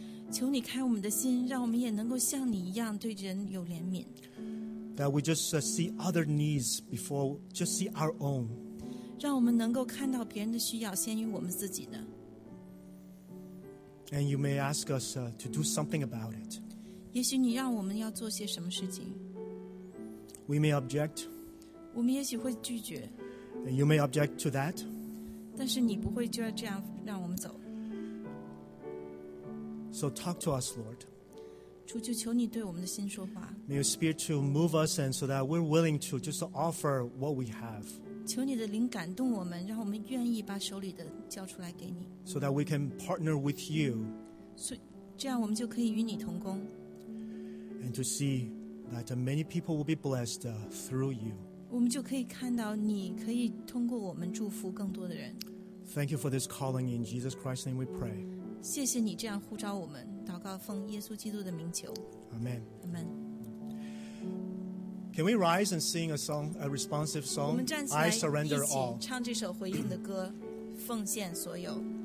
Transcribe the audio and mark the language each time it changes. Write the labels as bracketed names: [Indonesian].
[Chinese] 求你开我们的心，让我们也能够像你一样对人有怜悯。 [English] That we just see other needs before just see our own. [Chinese] 让我们能够看到别人的需要先于我们自己的。 [English] And you may ask us to do something about it. [Chinese] 也许你让我们要做些什么事情。 [English] We may object. [Chinese] 我们也许会拒绝。 [English] And you may object to that. [Chinese] 但是你不会就要这样让我们走。 [English] So talk to us, Lord. [Chinese] 主，就求你对我们的心说话。 [English] May your spirit to move us and so that we're willing to just offer what we have. [Chinese] 求你的灵感动我们，让我们愿意把手里的交出来给你。 [English] So that we can partner with you. [Chinese] 这样我们就可以与你同工。 [English] And to see that many people will be blessed through you. [Chinese] 我们就可以看到你可以通过我们祝福更多的人。 [English] Thank you for this calling. In Jesus Christ's name we pray. [Chinese] 谢谢你这样呼召我们，祷告奉耶稣基督的名求。 [English] Amen. Amen. Can we rise and sing a song, a responsive song? [Chinese] 我们站起来，一起唱这首回应的歌，奉献所有。